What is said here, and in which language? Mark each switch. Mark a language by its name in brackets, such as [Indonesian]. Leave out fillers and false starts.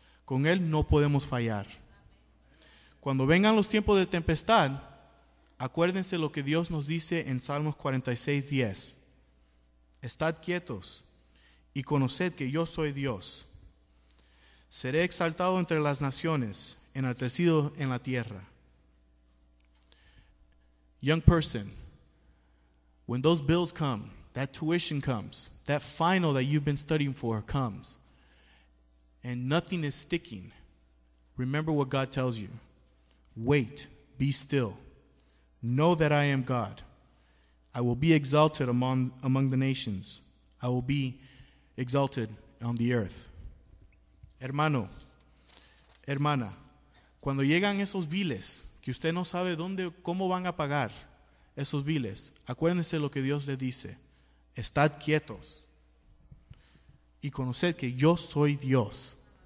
[Spanish] Con Él no podemos fallar. Cuando vengan los tiempos de tempestad, acuérdense lo que Dios nos dice en Salmos 46:10. Estad quietos y conoced que yo soy Dios. Seré exaltado entre las naciones, enaltecido en la tierra. [English] Young person, when those bills come, that tuition comes, that final that you've been studying for comes, and nothing is sticking, remember what God tells you. Wait, be still. Know that I am God. I will be exalted among the nations. I will be exalted on the earth. [Spanish] Hermano, hermana, cuando llegan esos biles, que usted no sabe cómo van a pagar esos biles, acuérdense lo que Dios le dice. Estad quietos y conoced que yo soy Dios.